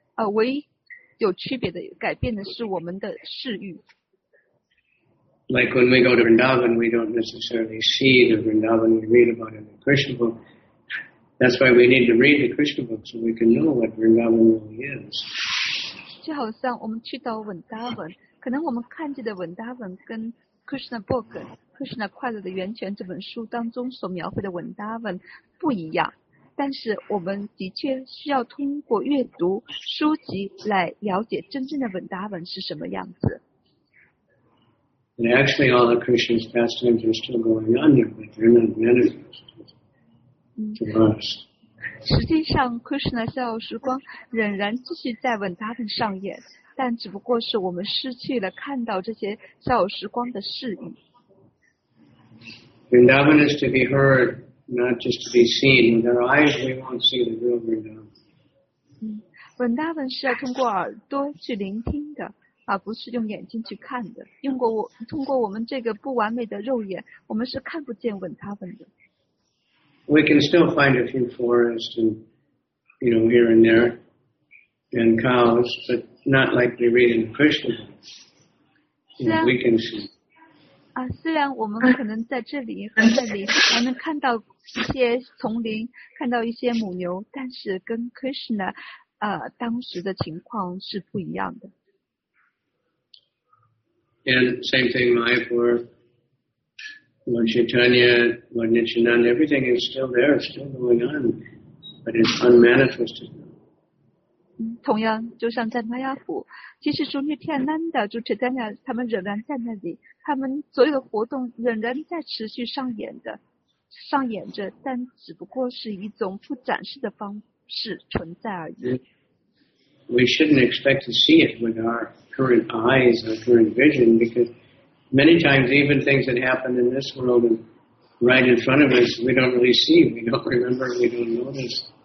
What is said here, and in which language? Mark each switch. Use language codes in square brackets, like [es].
[zh] 唯一有区别的改变的是我们的视域。 [en] Like when we go to Vrindavan, we don't necessarily see the Vrindavan we read about in the Krishna book. That's why we need to read the Krishna book so we can know what Vrindavan really is. [zh] 就好像我们去到 Vrindavan， 可能我们看见的 Vrindavan 跟 Krishna book， Krishna 快乐的源泉这本书当中所描绘的 Vrindavan 不一样。但是我们的确需要通过阅读书籍来了解真正的文达文是什么样子。 [en] And actually, all the Krishna's pastimes are still going on there, but they're not manifested to us. [zh] 实际上 ，Krishna 逍遥时光仍然继续在文达文上演，但只不过是我们失去了看到这些逍遥时光的视野。 [en] Vrindavan is to be heard. Not just to be seen with our eyes, we won't see the real Vrindavan. [zh] Vrindavan 是要通过耳朵去聆听的，而不是用眼睛去看的。通过我们这个不完美的肉眼，我们是看不见 Vrindavan 的。 [en] We can still find a few forests and, you know, here and there, and cows, but not like we read in Krishna. You know, we can see. [zh] 虽然我们可能在这里和那里还能看到一些丛林，看到一些母牛，但是跟 Krishna 当时的情况是不一样的。 [en] And same thing, Mayapur, Lord Chaitanya, Lord Nityananda, everything is still there, still going on, but it's unmanifested. [zh] 同样，就像在玛雅普，其实朱尼天南的朱彻丹亚，他们仍然在那里，他们所有的活动仍然在持续上演的，上演着，但只不过是一种不展示的方式存在而已。 [en] We shouldn't expect to see it with our current eyes or current vision, because many times even things that happen in this world and right in front of us, we don't really see, we don't remember, we don't notice.